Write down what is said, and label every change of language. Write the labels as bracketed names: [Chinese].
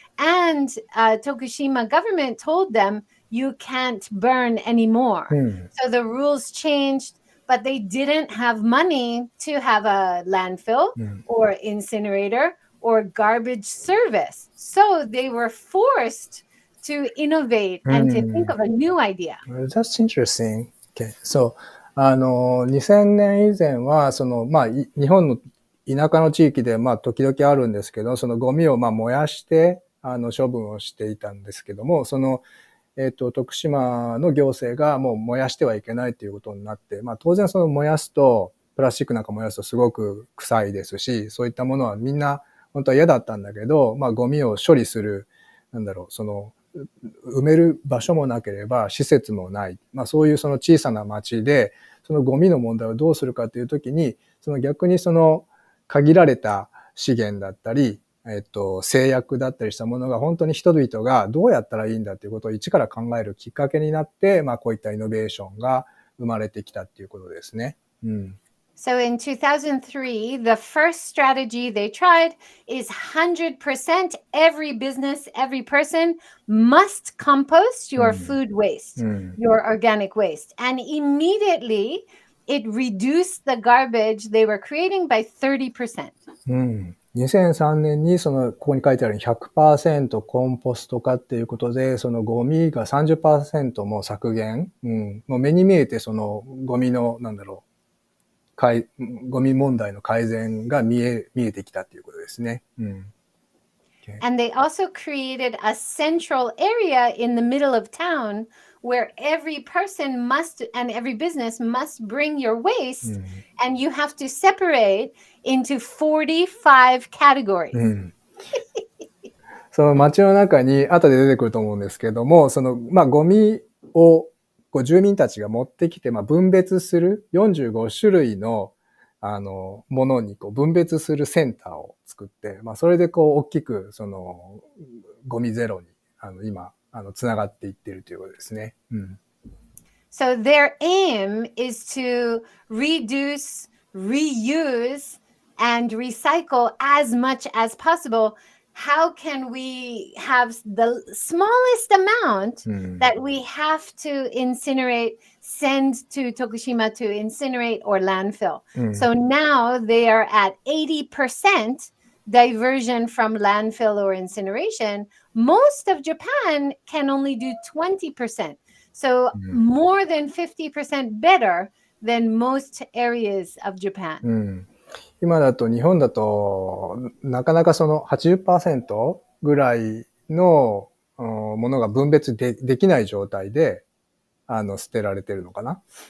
[English] And Tokushima government told them, you can't burn anymore. So the rules changed. But they didn't have money to have a landfill or incinerator or garbage service. So they were forced to innovate and to think of a new idea. That's interesting. Okay. [Japanese] So, 2000年以前は、その、まあ、日本の田舎の地域で、まあ、時々あるんですけど、そのゴミを、まあ、燃やして、処分をしていたんですけども、その、徳島の行政がもう燃やしてはいけないということになって、まあ当然その燃やすと、プラスチックなんか燃やすとすごく臭いですし、そういったものはみんな本当は嫌だったんだけど、まあゴミを処理する、なんだろう、その埋める場所もなければ施設もない。まあそういうその小さな町で、そのゴミの問題をどうするかというときに、その逆にその限られた資源だったり、制約だったりしたものが本当に人々がどうやったらいいんだということを一から考えるきっかけになって、まあこういったイノベーションが生まれてきたっていうことですね。 [English] So in 2003, the first strategy they tried is 100% every business, every person must compost your food waste, your organic waste. And immediately it reduced the garbage they were creating by 30%. [Japanese] 2003年にそのここに書いてある 100% コンポスト化っていうことで、そのゴミが 30% も削減、もう目に見えてそのゴミの、なんだろう、ゴミ問題の改善が見えてきたっていうことですね。 [English] Okay. And they also created a central area in the middle of town where every person must and every business must bring your waste and you have to separate into 45 categories. [Japanese] その街の中に後で出てくると思うんですけども、そのまあゴミをこう住民たちが持ってきて、まあ分別する45種類のあのものにこう分別するセンターを作って、まあそれでこう大きくそのゴミゼロにあの今あのつながっていってるということですね。 [English] So their aim is to reduce, reuse, and recycle as much as possible. How can we have the smallest amount that we have to incinerate, send to Tokushima to incinerate or landfill? So now they are at 80% diversion from landfill or incineration. Most of Japan can only do 20%. So more than 50% better than most areas of Japan. [Japanese] 今だと日本だとなかなかその 80% ぐらいのものが分別 できない状態であの捨てられてるのかな。